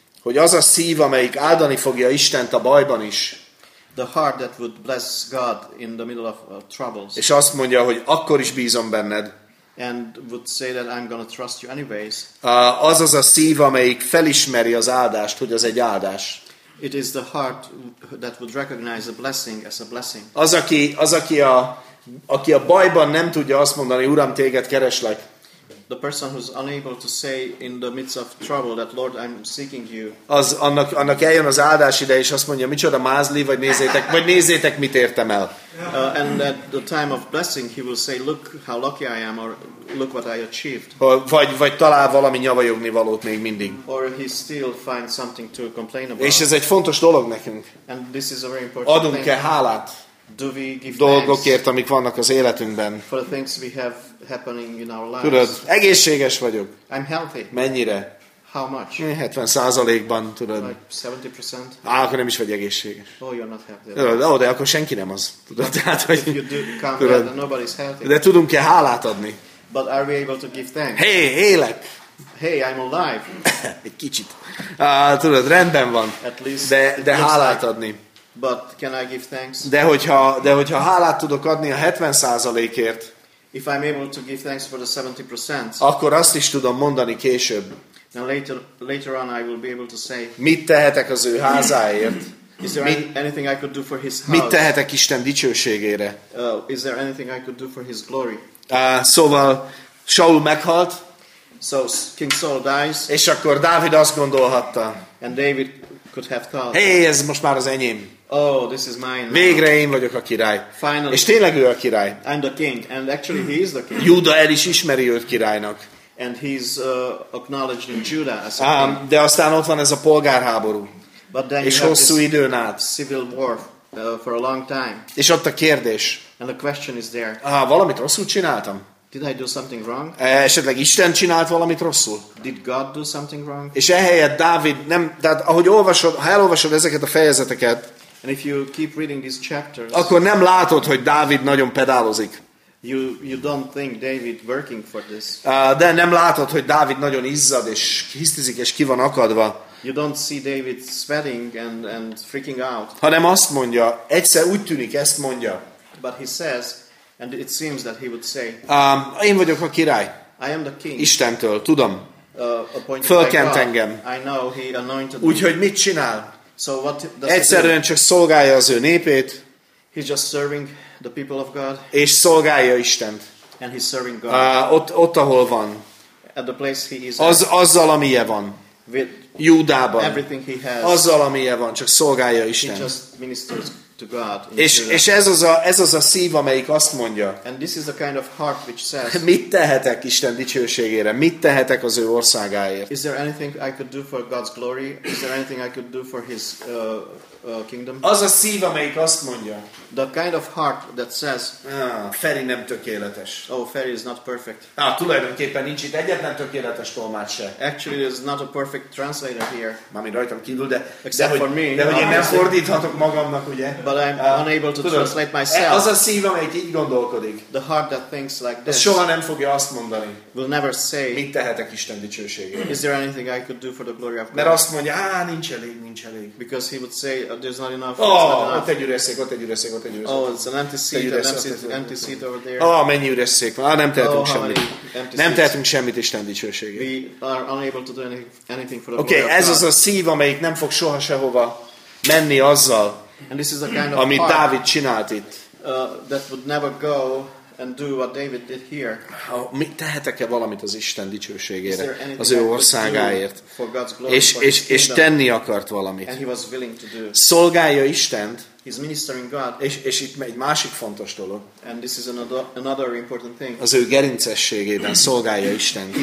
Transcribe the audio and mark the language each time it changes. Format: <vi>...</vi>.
<hu>Hogy az a szív, amelyik áldani fogja Istent a bajban is.</hu> <en>The heart that would bless God in the middle of troubles.</en> <hu>És azt mondja, hogy akkor is bízom benned.</hu> <en>And would say that I'm gonna trust you anyways.</en> <hu>Az a szív, amelyik felismeri az áldást, hogy az egy áldás.</hu> <en>It is the heart that would recognize a blessing as a blessing.</en> <hu>Az aki a bajban nem tudja azt mondani, Uram, téged kereslek.</hu> <en>The person who's unable to say in the midst of trouble that Lord, I'm seeking you.</en> <hu>Annak eljön az áldás ide, és azt mondja, micsoda mázli, vagy nézzétek, mit értem el.</hu> <en>And at the time of blessing, he will say, look how lucky I am, or look what I achieved.</en> <hu>Vagy talál valami nyavajogni valót még mindig.</hu> <en>Or he still finds something to complain about.</en> <hu>És ez egy fontos dolog nekünk.</hu> <en>And this is a very important thing.</en> <hu>Adunk-e hálát?</hu> <en>Do we give</en> <hu>dolgokért, amik vannak az életünkben.</hu> <en>For the things we have happening in our lives.</en> <hu>Tudod, egészséges vagyok.</hu> <en>I'm healthy.</en> <hu>Mennyire?</hu> <en>How much?</en> <hu>70%-ban, tudod.</hu> <en>Like 70%?</en> <hu>Akkor nem is vagy egészséges.</hu> <en>Oh, you're not healthy.</en> <hu>Tudod, de akkor senki nem az. Tudod, tehát, hogy...</hu> <en>If you do come there, then nobody's healthy.</en> <hu>De tudunk-e hálát adni?</hu> <en>But are we able to give thanks?</en> <hu>Hey, élek!</hu> <en>Hey, I'm alive!</en> <hu>Egy kicsit. Tudod, rendben van.</hu> <en>At least</en> <hu>de hálát like... adni.</hu> <en>But can I give thanks?</en> <hu>De hogyha hálát tudok adni a 70%-ért,</hu> <en>if I'm able to give thanks for the 70%,</en> <hu>akkor azt is tudom mondani később.</hu> <en>Then later on I will be able to say,</en> <hu>mit tehetek az ő házáért?</hu> <en>Is there anything I could do for his house?</en> <hu>Mit tehetek Isten dicsőségére?</hu> <en>Is there anything I could do for his glory?</en> <hu>Szóval Saul meghalt.</hu> <en>So King Saul dies.</en> <hu>És akkor Dávid azt gondolhatta.</hu> <en>And David could have thought,</en> <hu>hey, ez most már az enyém.</hu> <en>Oh, this is mine.</en> <hu>Végre én vagyok a király.</hu> <en>Finally.</en> <hu>És tényleg ő a király.</hu> <en>I'm the king, and actually he is the king.</en> <hu>Júda el is ismeri őt királynak.</hu> <en>And he's acknowledged in Judah as a king.</en> <hu>De aztán ott van ez a polgárháború.</hu> <en>But then</en> <hu>és hosszú időn át.</hu> <en>Civil war for a long time.</en> <hu>És ott a kérdés.</hu> <en>And the question is there.</en> <hu>Valamit rosszul csináltam?</hu> <en>Did I do something wrong?</en> <hu>Esetleg Isten csinált valamit rosszul?</hu> <en>Did God do something wrong?</en> <hu>És ehelyett Dávid nem, tehát ahogy olvasod, ha elolvasod ezeket a fejezeteket,</hu> <en>and if you keep reading these chapters,</en> <hu>akkor nem látod, hogy Dávid nagyon pedálozik.</hu> <en>You don't think David working for this.</en> <hu>De nem látod, hogy Dávid nagyon izzad és hisztizik és ki van akadva.</hu> <en>You don't see David sweating and freaking out.</en> <hu>Hanem azt mondja, egyszer úgy tűnik, ezt mondja.</hu> <en>But he says, and it seems that he would say,</en> <hu>én vagyok a király.</hu> <en>I am the king.</en> <hu>Istentől, tudom.</hu> <en>Appointed</en> <hu>fölkent engem.</hu> <en>I know he anointed.</en> <hu>Úgyhogy mit csinál?</hu> <en>So what does</en> <hu>egyszerűen csak szolgálja az ő népét.</hu> <en>He's just serving the people of God.</en> <hu>És szolgálja Istent.</hu> <en>And he's serving God.</en> <hu>Ott ahol van.</hu> <en>At the place he is.</en> <hu>Azzal amije van.</hu> <en>With</en> <hu>Júdában.</hu> <en>Everything he has.</en> <hu>Azzal amije van, csak szolgálja Istent.</hu> <en>He just ministers to God.</en> <hu>És ez az a szív, amelyik azt mondja.</hu> <en>And this is the kind of heart which says,</en> <hu>mit tehetek Isten dicsőségére? Mit tehetek az ő országáért?</hu> <en>Is there anything I could do for God's glory? Is there anything I could do for his kingdom.</en> <hu>Az a szív, amelyik azt mondja.</hu> <en>The kind of heart that says,</en> <hu>Feri nem tökéletes.</hu> <en>Oh, Feri is not perfect.</en> <hu>Tulajdonképpen nincs itt egyetlen tökéletes tolmács se.</hu> <en>Actually, there's not a perfect translator here.</en> <hu>Mami rajtam kívül, de</hu> <en>except for me.</en> <hu>De hogy én nem fordíthatok magamnak, ugye?</hu> <en>But I'm unable to translate myself.</en> <hu>Az a szív, amelyik így gondolkodik.</hu> <en>The heart that thinks like this.</en> <hu>Ez soha nem fogja azt mondani.</hu> <en>Will never say.</en> <hu>Mit tehetek Isten dicsőségére?</hu> <en>Is there anything I could do for the glory of God?</en> <hu>Mert azt mondja, nincs elég, nincs elég.</hu> <en>Because he would say, there's not enough.</en> <hu>Ott egy üres szék.</hu> <en>Oh, it's an empty seat, empty seat over there.</en> <hu>Mennyi üres szék van. Nem tehetünk semmit. Nem tehetünk semmit Isten dicsőségére.</hu> <en>We are unable to do anything for the glory of God.</en> <hu>Ez az a szív, amelyik nem fog soha sehova menni azzal, amit Dávid csinált itt.</hu> <en>That would never go and do what David did here.</en> <hu>Mit tehetek-e valamit az Isten dicsőségére, az ő országáért? És tenni akart valamit.</hu> <en>And he was willing to do.</en> <hu>Szolgálja Istent.</hu> <en>He's ministering God.</en> <hu>És itt egy másik fontos dolog.</hu> <en>And this is another important thing.</en> <hu>Az ő gerincességében szolgálja Istent.</hu>